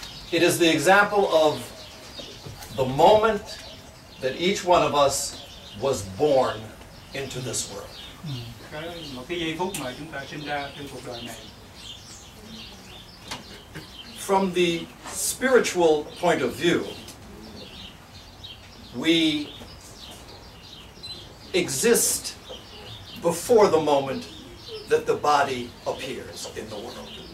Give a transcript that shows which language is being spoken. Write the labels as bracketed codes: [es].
[en] It is the example of the moment that each one of us was born into this world. [vi] Cái giây phút mà chúng ta sinh ra trên cuộc đời này. [en] from the spiritual point of view, we exist before the moment that the body appears in the world.